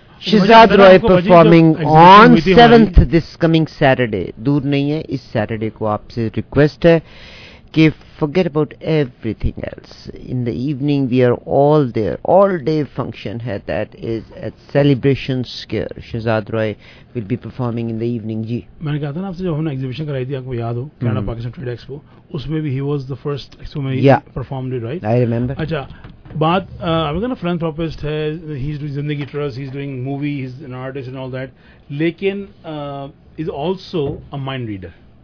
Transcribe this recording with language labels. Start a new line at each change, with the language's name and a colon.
English: Shehzad Rai performing on 7th this coming Saturday,
Urdu: دور نہیں ہے اس سیٹرڈے کو. آپ سے ریکویسٹ ہے کہ
English: Forget about everything else, in the evening we are all there, all day function ہے, that is at celebration square. Shehzad Rai will be performing in the evening.
Urdu: جی میں نے کہا تھا نا آپ سے, جب ہم نے ایگزیبیشن کرائی تھی آپ کو یاد ہو کینیڈا پاکستان ٹریڈ ایکسپو, اس میں بھی
English: ہی was the first expo
Urdu: میں performed dead, right?
English: I remember.
Urdu: اچھا بات, ابھی کا نا
English: Philanthropist ہے, he is doing Zindagi trust, he is doing movie, he is an artist and all that, لیکن is also a mind reader.